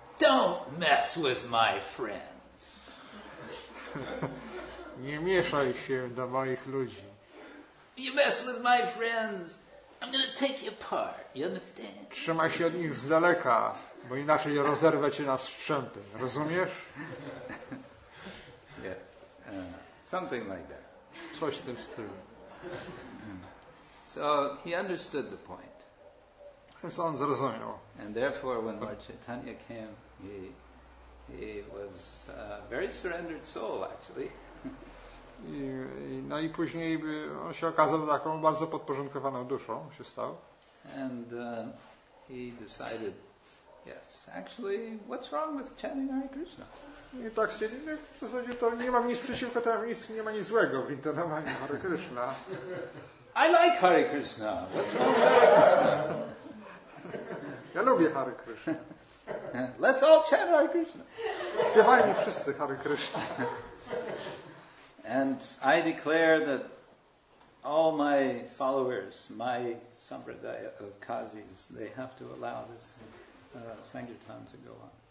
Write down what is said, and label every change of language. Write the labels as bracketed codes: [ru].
[en] Don't mess with my friends. [pl] Nie mieszaj się do moich ludzi. [en] You mess with my friends, I'm gonna take you apart. You understand? [pl] Trzymaj się od nich z daleka, bo inaczej rozerwę cię na strzępy. Rozumiesz? [en] Yes. Something like that. [pl] Coś w tym stylu. [en] So he understood the point. [pl] Więc on zrozumiał. [en] And therefore, when Lord Chaitanya came, he was a very surrendered soul, actually. [pl] No i później on się okazał taką bardzo podporządkowaną duszą, się stał. [en] And he decided, yes, actually, what's wrong with chanting Hare Krishna? [pl] I tak stwierdził, no, w zasadzie to nie mam nic przeciwko temu, nie ma nic złego w intonowaniu Hare Krishna. [en] I like Hare Krishna. What's wrong with Hare Krishna? [pl] Ja lubię Hare Krishna. [en] Let's all chant Hare Krishna. [pl] Śpiewajmy wszyscy Hare Krishna. [en] And I declare that all my followers, my sampradaya of Kazis, they have to allow this Sangirtan to go on.